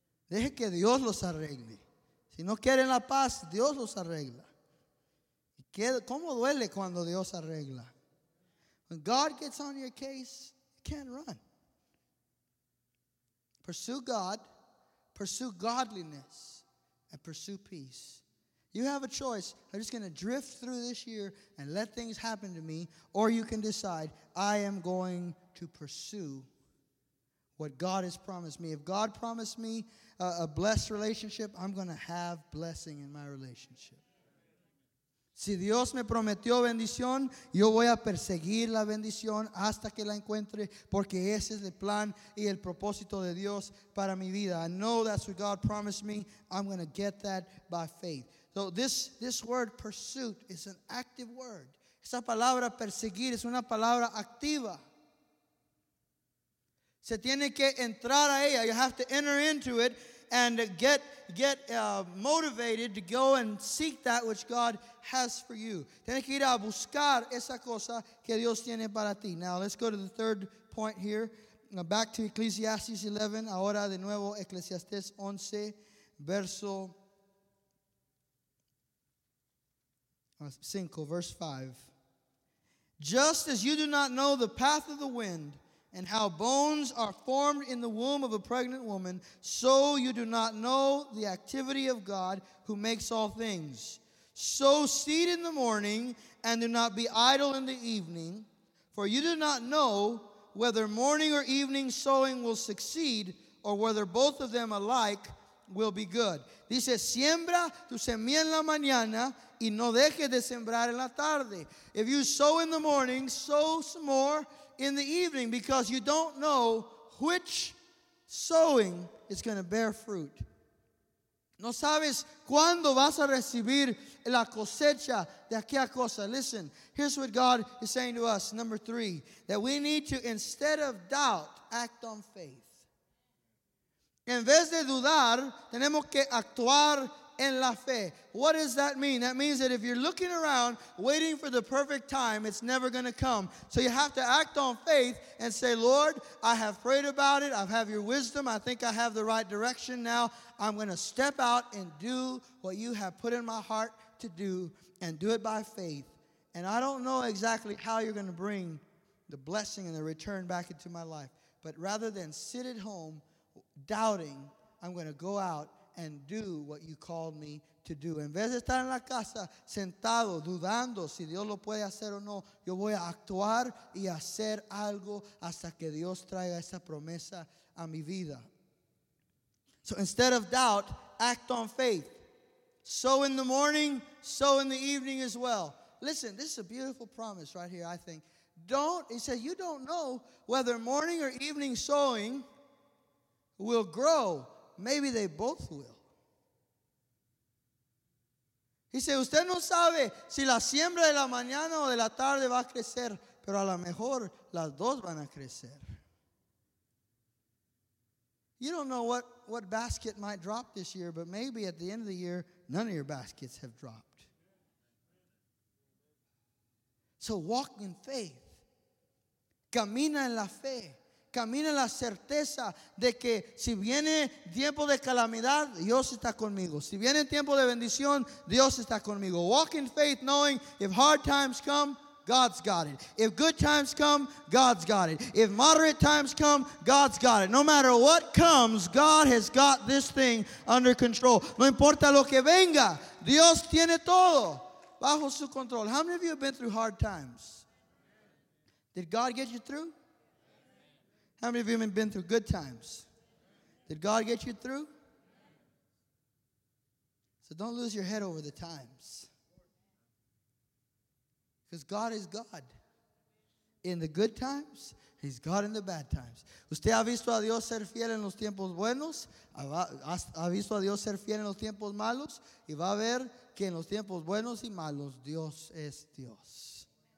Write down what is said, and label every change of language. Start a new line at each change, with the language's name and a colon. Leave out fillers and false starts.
Spanish: Deje que Dios los arregle. Si no quieren la paz, Dios los arregla. ¿Cómo duele cuando Dios arregla?
English: When God gets on your case, you can't run. Pursue God, pursue godliness, and pursue peace. You have a choice. I'm just going to drift through this year and let things happen to me. Or you can decide, I am going to pursue what God has promised me. If God promised me a blessed relationship, I'm going to have blessing in my relationship.
Spanish: Si Dios me prometió bendición, yo voy a perseguir la bendición hasta que la encuentre, porque ese es el plan y el propósito de Dios para mi vida.
English: I know that's what God promised me. I'm going to get that by faith. So this word pursuit is an active word.
Spanish: Esa palabra perseguir es una palabra activa. Se tiene que entrar a ella.
English: You have to enter into it and get motivated to go and seek that which God has for you.
Spanish: Tiene que ir a buscar esa cosa que Dios tiene para ti.
English: Now let's go to the third point here. Now, back to Ecclesiastes 11.
Spanish: Ahora de nuevo Ecclesiastes 11, verso 5,
English: verse 5. Just as you do not know the path of the wind and how bones are formed in the womb of a pregnant woman, so you do not know the activity of God who makes all things. Sow seed in the morning and do not be idle in the evening, for you do not know whether morning or evening sowing will succeed or whether both of them alike will be good.
Spanish: Dice, siembra tu semilla en la mañana y no dejes de sembrar en la tarde.
English: If you sow in the morning, sow some more in the evening, because you don't know which sowing is going to bear fruit.
Spanish: No sabes cuándo vas a recibir la cosecha de aquella cosa.
English: Listen, here's what God is saying to us. Number three, that we need to, instead of doubt, act on faith.
Spanish: En vez de dudar, tenemos que actuar en la fe.
English: What does that mean? That means that if you're looking around, waiting for the perfect time, it's never going to come. So you have to act on faith and say, Lord, I have prayed about it. I have your wisdom. I think I have the right direction now. I'm going to step out and do what you have put in my heart to do and do it by faith. And I don't know exactly how you're going to bring the blessing and the return back into my life. But rather than sit at home doubting, I'm going to go out and do what you called me to do.
Spanish: En vez de estar en la casa sentado dudando si Dios lo puede hacer o no, yo voy a actuar y hacer algo hasta que Dios traiga esa promesa a mi vida.
English: So instead of doubt, act on faith. Sow in the morning, sow in the evening as well. Listen, this is a beautiful promise right here, I think. He said, you don't know whether morning or evening sowing will grow. Maybe they both will. He said,
Spanish: usted no sabe si la siembra de la mañana o de la tarde va a crecer, pero a lo mejor las dos van a crecer.
English: You don't know what basket might drop this year, but maybe at the end of the year, none of your baskets have dropped. So walk in faith.
Spanish: Camina en la fe. Camina la certeza de que si viene tiempo de calamidad, Dios está conmigo. Si viene tiempo de bendición, Dios está conmigo.
English: Walk in faith knowing if hard times come, God's got it. If good times come, God's got it. If moderate times come, God's got it. No matter what comes, God has got this thing under control.
Spanish: No importa lo que venga, Dios tiene todo bajo su control.
English: How many of you have been through hard times? Did God get you through? How many of you have been through good times? Did God get you through? So don't lose your head over the times. Because God is God. In the good times, He's God in the bad times.
Spanish: ¿Usted ha visto a Dios ser fiel en los tiempos buenos? ¿Ha visto a Dios ser fiel en los tiempos malos? Y va a ver que en los tiempos buenos y malos, Dios es Dios.